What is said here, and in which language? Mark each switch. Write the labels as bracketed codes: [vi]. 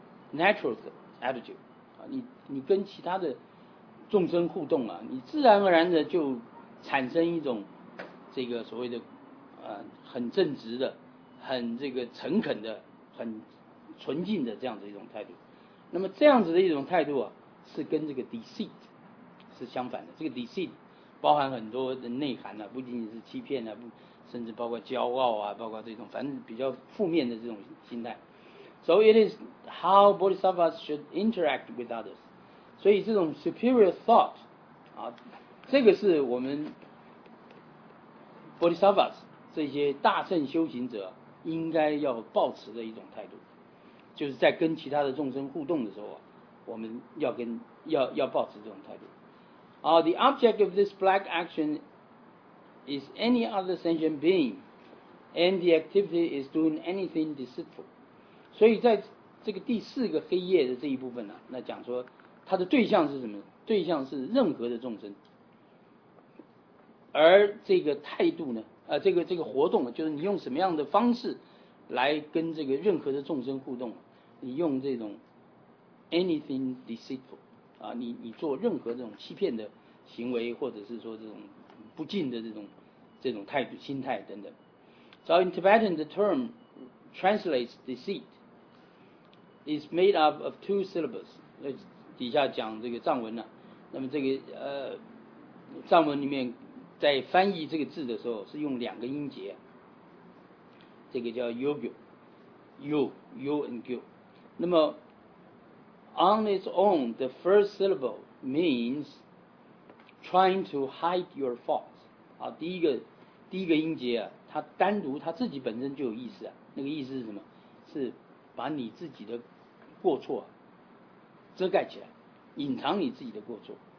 [en] Natural attitude， [zh] 你跟其他的众生互动啊，你自然而然的就产生一种这个所谓的很正直的、很这个诚恳的、很纯净的这样子一种态度。那么这样子的一种态度啊，是跟这个 deceit 是相反的。这个 deceit 包含很多的内涵啊，不仅仅是欺骗啊，甚至包括骄傲啊，包括这种反正比较负面的这种心态。 [en] So it is how Bodhisattvas should interact with others. [zh] 所以这种 [en] superior thought， [zh] 啊，这个是我们 Bodhisattvas 这些大乘修行者应该要抱持的一种态度，就是在跟其他的众生互动的时候，我们要抱持这种态度。 [en] The object of this black action is any other sentient being, and the activity is doing anything deceitful. [zh] 所以在这个第四个黑夜的这一部分呢、啊，那讲说它的对象是什么？对象是任何的众生，而这个态度呢，这个活动就是你用什么样的方式来跟这个任何的众生互动，你用这种 [en] anything deceitful [zh] 啊，你做任何这种欺骗的行为，或者是说这种不敬的这种态度、心态等等。 [en] So in Tibetan, the term translates deceit. Is made up of two syllables. [zh] 底下讲这个藏文呢、啊，那么这个藏文里面在翻译这个字的时候是用两个音节，这个叫 yogyo and gyo。那么 [en] on its own, the first syllable means trying to hide your faults. [zh] 啊，第一个音节啊，它单独它自己本身就有意思啊。那个意思是什么？是把你自己的过错遮盖起来，隐藏你自己的过错。